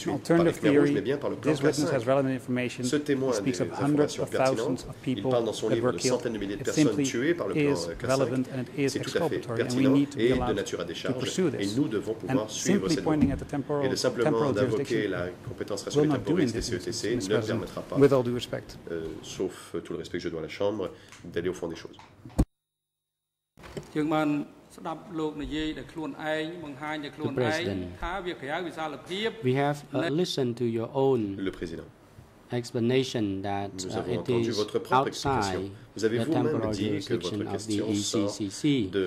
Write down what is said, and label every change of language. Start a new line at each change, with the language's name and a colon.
English: Alternative theory, this witness has relevant information. He speaks of hundreds of thousands of people that were killed. It simply is relevant and it is exculpatory, and we need to be allowed to pursue this. And simply pointing at the temporal jurisdiction will not do in this instance, Mr. President, with all due respect.
French: Sauf tout le respect que je dois à la Chambre, d'aller au fond des choses.
English: The President, we have listened to your own explanation that it is outside the temporal jurisdiction of the ECCC.